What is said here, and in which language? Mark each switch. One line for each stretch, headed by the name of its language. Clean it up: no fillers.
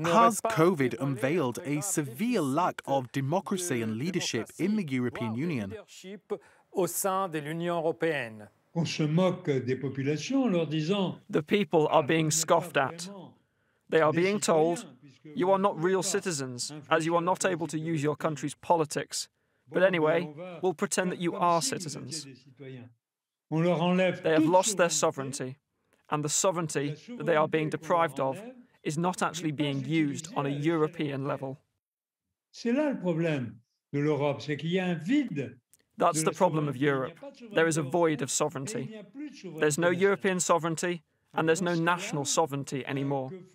English: has COVID unveiled a severe lack of democracy and leadership in the European Union?
French: Au sein de l'Union européenne. On se moque des populations en leur disant.
English: The people are being scoffed at. They are being told, you are not real citizens, as you are not able to use your country's politics. But anyway, we'll pretend that you are citizens.
French: On leur enlève.
English: They have lost their sovereignty, and the sovereignty that they are being deprived of is not actually being used on a European level.
French: C'est là le problème de l'Europe, c'est qu'il y a un vide.
English: That's the problem of Europe. There is a void of sovereignty. There's no European sovereignty, and there's no national sovereignty anymore.